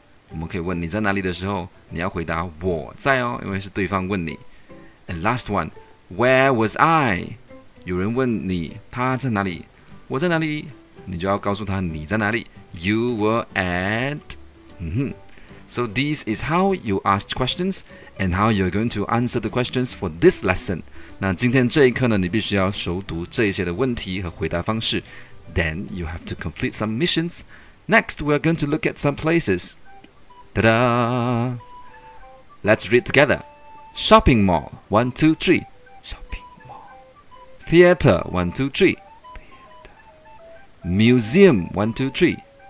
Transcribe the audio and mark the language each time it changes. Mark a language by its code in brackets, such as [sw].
[zh] 我们可以问你在哪里的时候，你要回答我在哦，因为是对方问你。 [en] And last one, where was I? [zh] 有人问你他在哪里，我在哪里，你就要告诉他你在哪里。 [en] You were at...、So this is how you ask questions and how you're going to answer the questions for this lesson. [zh] 那今天这一课呢，你必须要熟读这些的问题和回答方式。 [en] Then you have to complete some missions. Next, we're going to look at some places. Ta-da! Let's read together. Shopping mall, 1, 2, 3. Shopping mall. Theater, 1, 2, 3. Museum, 1, 2, 3.